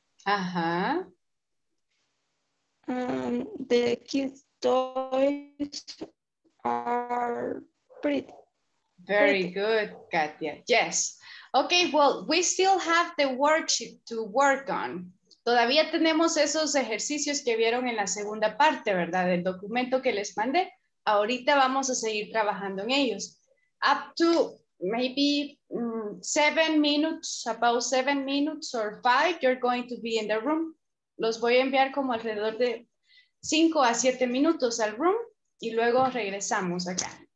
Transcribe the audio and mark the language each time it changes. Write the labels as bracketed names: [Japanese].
[English] Uh-huh. The kids' toys are pretty. Very good, Katia. Yes. Okay, well, we still have the worksheet to work on. [Spanish] Todavía tenemos esos ejercicios que vieron en la segunda parte, ¿verdad? Del documento que les mandé. Ahorita vamos a seguir trabajando en ellos. [English] Up to maybe 7 minutes, about 7 minutes or 5, you're going to be in the room. [Spanish] Los voy a enviar como alrededor de 5 a 7 minutos al room y luego regresamos acá.